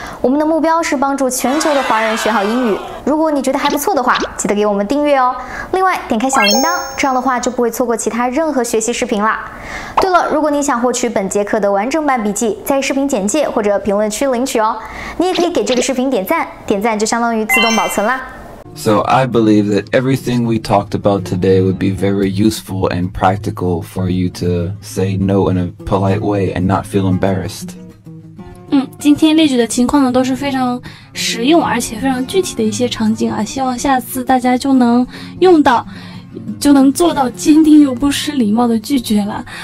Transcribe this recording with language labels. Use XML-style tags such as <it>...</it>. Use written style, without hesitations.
<zh>我们的目标是帮助全球的华人学好英语。如果你觉得还不错的话，记得给我们订阅哦。另外，点开小铃铛，这样的话就不会错过其他任何学习视频啦。对了，如果你想获取本节课的完整版笔记，在视频简介或者评论区领取哦。你也可以给这个视频点赞，点赞就相当于自动保存啦。</zh> <en>So I believe that everything we talked about today would be very useful and practical for you to say no in a polite way and not feel embarrassed.</en> <zh>今天列举的情况呢都是非常实用而且非常具体的一些场景啊，希望下次大家就能用到，就能做到坚定又不失礼貌的拒绝了。</zh>